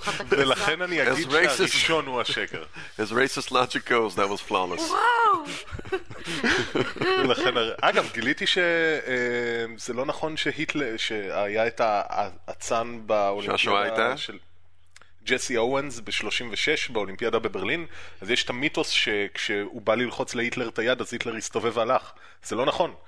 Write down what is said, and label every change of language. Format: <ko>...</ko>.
<he>ולכן אני אגיד שהראשון הוא השקר.</he> <en>As racist logic goes, that was flawless.</en> <he>וואו! אגב, גיליתי שזה לא נכון שהיטלר, שהיה את האצן באולימפיאדה. שהשואה הייתה? ג'סי אוונס ב-36 באולימפיאדה בברלין. אז יש את המיתוס שכשהוא בא ללחוץ להיטלר את היד, אז היטלר הסתובב והלך. זה לא נכון.</he>